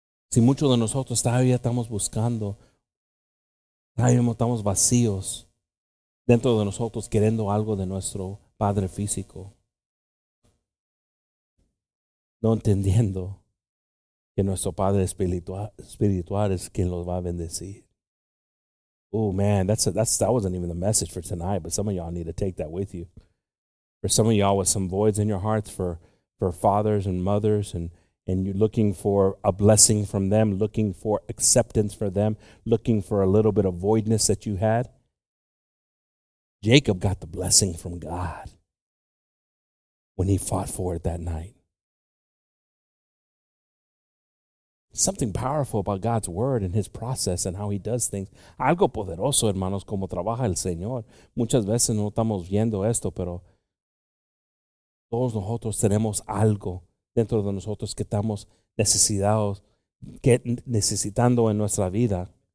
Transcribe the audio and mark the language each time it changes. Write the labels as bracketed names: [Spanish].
[Spanish] Si muchos de nosotros todavía estamos buscando, todavía estamos vacíos dentro de nosotros, queriendo algo de nuestro padre físico, no entendiendo que nuestro padre espiritual es quien los va a bendecir. [English] Oh man, that wasn't even the message for tonight, but some of y'all need to take that with you. For some of y'all with some voids in your hearts for fathers and mothers and you're looking for a blessing from them, looking for acceptance for them, looking for a little bit of voidness that you had. Jacob got the blessing from God when he fought for it that night. Something powerful about God's word and his process and how he does things. [Spanish] Algo poderoso, hermanos, como trabaja el Señor. Muchas veces no estamos viendo esto, pero todos nosotros tenemos algo dentro de nosotros que estamos necesitados, que necesitando en nuestra vida.